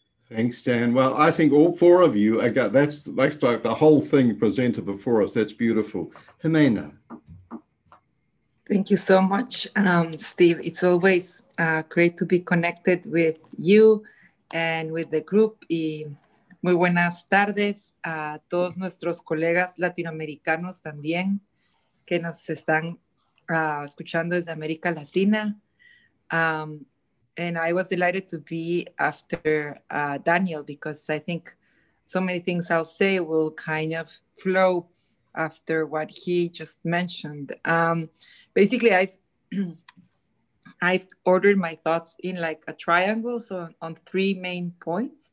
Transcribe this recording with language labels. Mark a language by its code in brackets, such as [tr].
[en] Thanks, Dan. Well, I think all four of you, that's like the whole thing presented before us. That's beautiful. Jimena. Thank you so much, Steve. It's always great to be connected with you and with the group. [es] Y muy buenas tardes a todos nuestros colegas latinoamericanos también que nos están escuchando desde América Latina. [en] And I was delighted to be after Daniel because I think so many things I'll say will kind of flow after what he just mentioned. Basically, I've ordered my thoughts in like a triangle, so on three main points.